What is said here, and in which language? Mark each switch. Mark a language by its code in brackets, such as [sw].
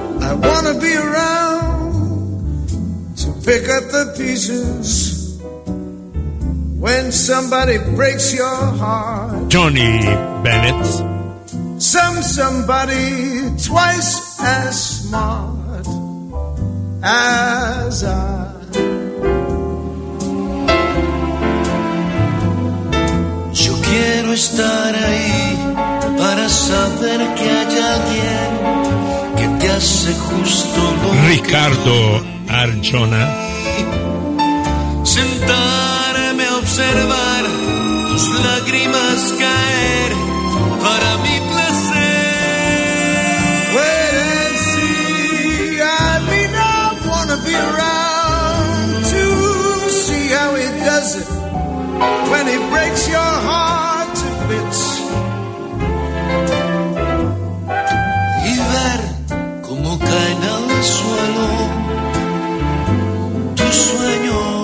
[en] I wanna be around to pick up the pieces when somebody breaks your heart. Johnny Bennett. Somebody twice as smart as I. [es] Yo quiero estar ahí para saber que hay alguien que te hace justo lo Ricardo Arjona. Sentarme a observar tus lágrimas caer para mi placer. [en] Wait and see. I mean, I wanna be around to see how he does it when he breaks your heart to bits. [es] Y ver cómo caen al suelo tus sueños.